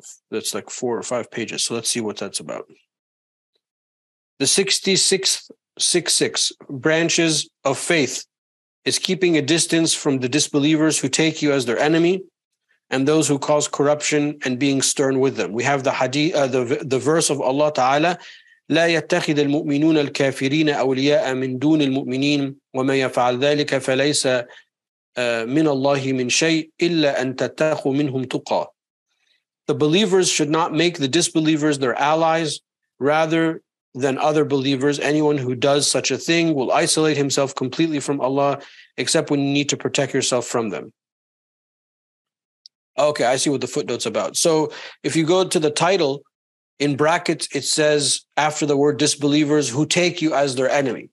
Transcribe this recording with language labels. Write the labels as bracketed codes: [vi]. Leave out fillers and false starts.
[en] That's like 4 or 5 pages. So let's see what that's about. The 66 branches of faith is keeping a distance from the disbelievers who take you as their enemy and those who cause corruption and being stern with them. We have the hadith, the verse of Allah Ta'ala, [ar] لَا يَتَّخِذَ الْمُؤْمِنُونَ الْكَافِرِينَ أَوْلِيَاءَ مِنْ دُونِ الْمُؤْمِنِينَ وَمَا يَفَعَلْ ذَلِكَ فَلَيْسَ مِنَ اللَّهِ مِنْ شَيْءٍ إِلَّا أَن تَتَّخُوا مِنْهُمْ تُقَى. [en] The believers should not make the disbelievers their allies rather than other believers. Anyone who does such a thing will isolate himself completely from Allah, except when you need to protect yourself from them. Okay, I see what the footnote's about. So if you go to the title, in brackets, it says, after the word disbelievers, who take you as their enemy.